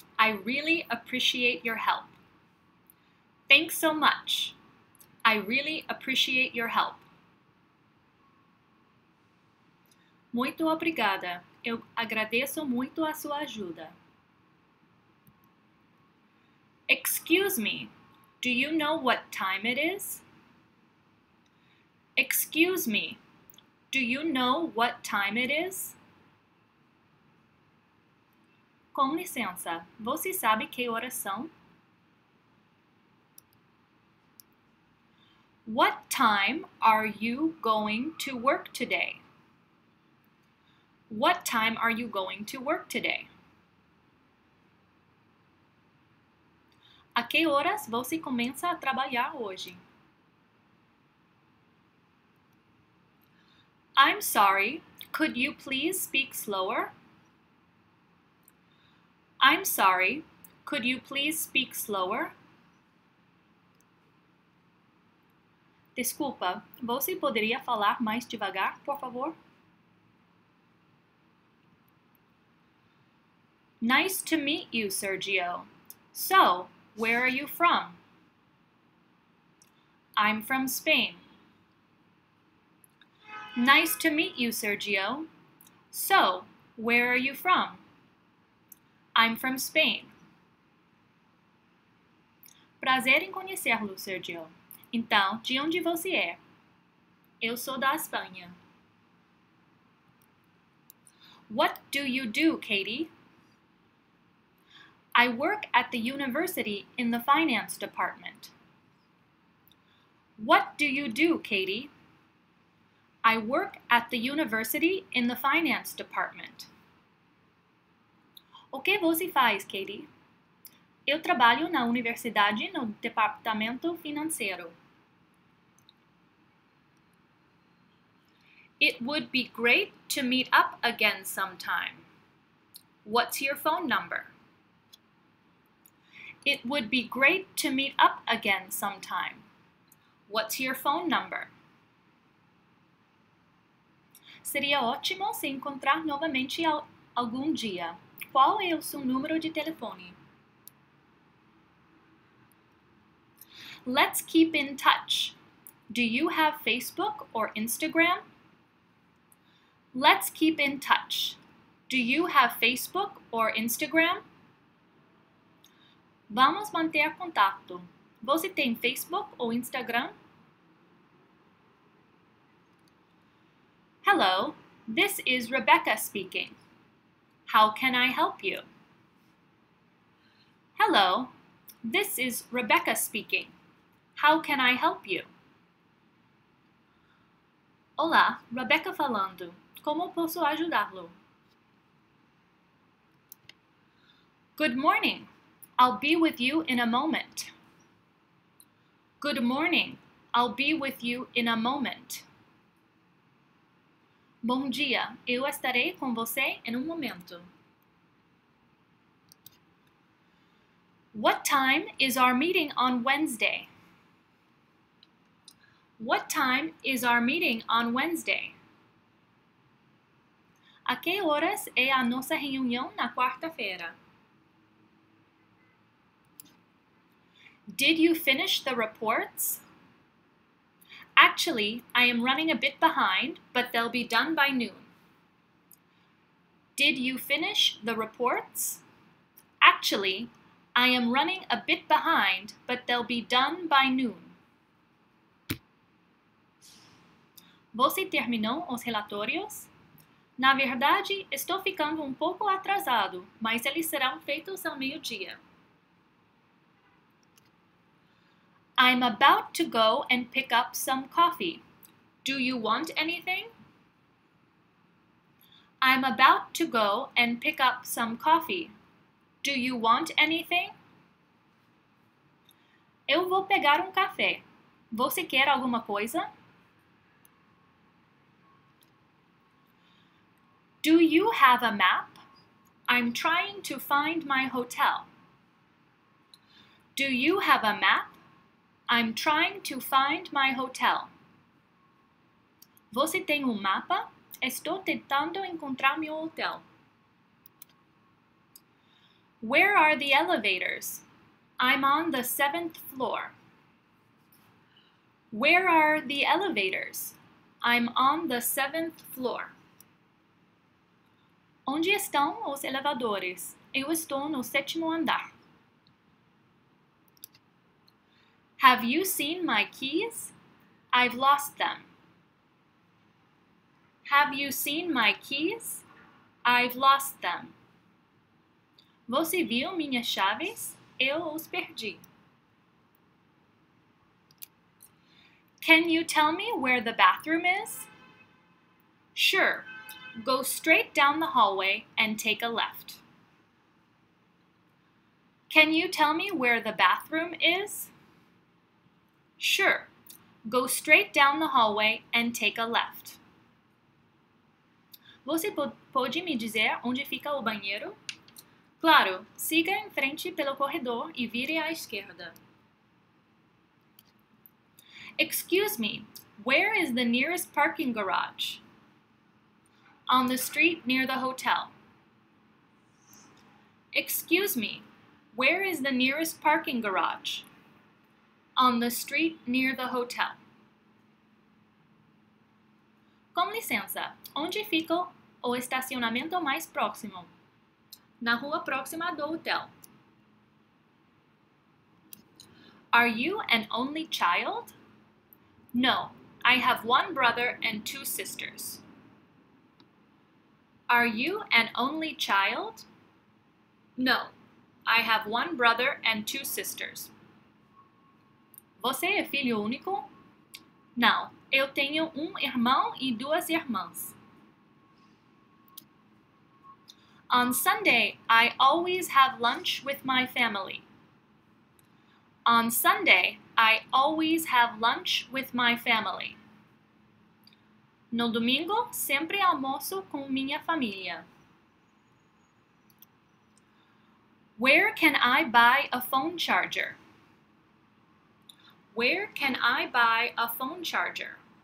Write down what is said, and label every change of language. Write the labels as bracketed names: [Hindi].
[English] I really appreciate your help. Thanks so much. I really appreciate your help. [Portuguese] Muito obrigada. Eu agradeço muito a sua ajuda. [English] Excuse me. Do you know what time it is? Excuse me. Do you know what time it is? [Portuguese] Com licença, você sabe que horas são? [English] What time are you going to work today? What time are you going to work today? [Portuguese] A que horas você começa a trabalhar hoje? [English] I'm sorry, could you please speak slower? I'm sorry, could you please speak slower? [Portuguese] Desculpa, você poderia falar mais devagar, por favor? [English] Nice to meet you, Sergio. So, where are you from? I'm from Spain. Nice to meet you, Sergio. So, where are you from? I'm from Spain. [Portuguese] Prazer em conhecê-lo, Sergio. Então, de onde você é? Eu sou da Espanha. [English] What do you do, Katie? I work at the university in the finance department. What do you do, Katie? I work at the university in the finance department. [Portuguese] O que você faz, Katie? Eu trabalho na universidade no departamento financeiro. [English] It would be great to meet up again sometime. What's your phone number? It would be great to meet up again sometime. What's your phone number? [Portuguese] Seria ótimo se encontrar novamente algum dia. Qual é o seu número de telefone? [English] Let's keep in touch. Do you have Facebook or Instagram? Let's keep in touch. Do you have Facebook or Instagram? [Portuguese] Vamos manter contato. Você tem Facebook ou Instagram? [English] Hello, this is Rebecca speaking. How can I help you? Hello, this is Rebecca speaking. How can I help you? [Portuguese] Olá, Rebecca falando. Como posso ajudá-lo? [English] Good morning. I'll be with you in a moment. Good morning. I'll be with you in a moment. [Portuguese] Bom dia. Eu estarei com você em um momento. [English] What time is our meeting on Wednesday? What time is our meeting on Wednesday? [Portuguese] A que horas é a nossa reunião na quarta-feira? [English] Did you finish the reports? Actually, I am running a bit behind, but they'll be done by noon. Did you finish the reports? Actually, I am running a bit behind, but they'll be done by noon. [Portuguese] Você terminou os relatórios? Na verdade, estou ficando um pouco atrasado, mas eles serão feitos ao meio-dia. [English] I'm about to go and pick up some coffee. Do you want anything? I'm about to go and pick up some coffee. Do you want anything? [Portuguese] Eu vou pegar café. Você quer alguma coisa? [English] Do you have a map? I'm trying to find my hotel. Do you have a map? I'm trying to find my hotel. [Portuguese] Você tem mapa? Estou tentando encontrar meu hotel. [English] Where are the elevators? I'm on the 7th floor. Where are the elevators? I'm on the 7th floor. [Portuguese] Onde estão os elevadores? Eu estou no 7º andar. [English] Have you seen my keys? I've lost them. Have you seen my keys? I've lost them. [Portuguese] Você viu minhas chaves? Eu os perdi. [English] Can you tell me where the bathroom is? Sure. Go straight down the hallway and take a left. Can you tell me where the bathroom is? Sure. Go straight down the hallway and take a left. [Portuguese] Você pode me dizer onde fica o banheiro? Claro. Siga em frente pelo corredor e vire à esquerda. [English] Excuse me, where is the nearest parking garage? On the street near the hotel. Excuse me, where is the nearest parking garage? On the street near the hotel. [Portuguese] Com licença, onde fica o estacionamento mais próximo? Na rua próxima do hotel. [English] Are you an only child? No, I have one brother and two sisters. Are you an only child? No, I have one brother and two sisters. [Portuguese] Você é filho único? Não, eu tenho um irmão e duas irmãs. [English] On Sunday, I always have lunch with my family. On Sunday, I always have lunch with my family. [Portuguese] No domingo, sempre almoço com minha família. [English] Where can I buy a phone charger? Where can I buy a phone charger?